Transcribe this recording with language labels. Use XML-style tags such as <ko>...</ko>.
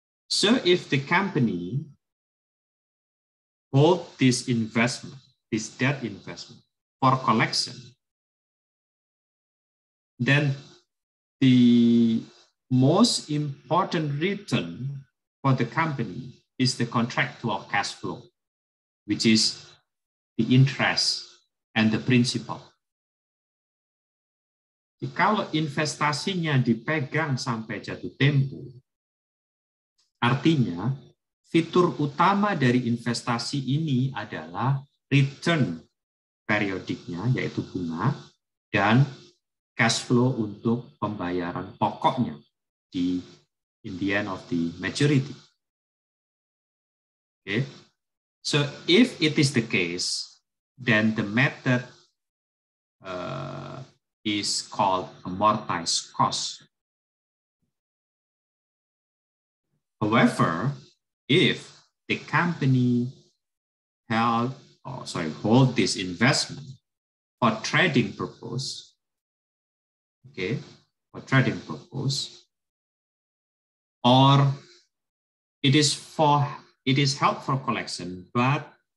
<en>So if the company hold this investment, this debt investment for collection, then the most important return for the company is the contractual cash flow, which is the interest and the principal.</en> <id>Kalau investasinya dipegang sampai jatuh tempo, artinya fitur utama dari investasi ini adalah return periodiknya, yaitu bunga, dan cash flow untuk pembayaran pokoknya di</id> <en>in the end of the maturity. Okay. So if it is the case, then the method is called amortized cost. However, if the company hold this investment for trading purpose, okay, for trading purpose, or it is held for collection, but</en>